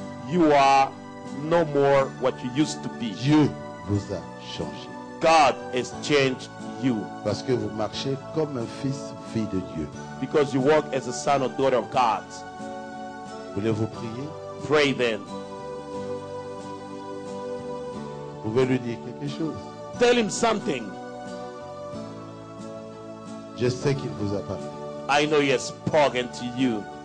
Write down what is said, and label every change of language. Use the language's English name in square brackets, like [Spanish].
[English] You are no more what you used to be. [French] Dieu vous a changé. [English] God has changed you. [French] Parce que vous marchez comme un fils, fille de Dieu. [English] Because you walk as a son or daughter of God. [French] Voulez-vous prier? [English] Pray then. [French] Vous pouvez lui dire quelque chose. [English] Tell him something. [French] Je sais qu'il vous a parlé. [English] I know he has spoken to you.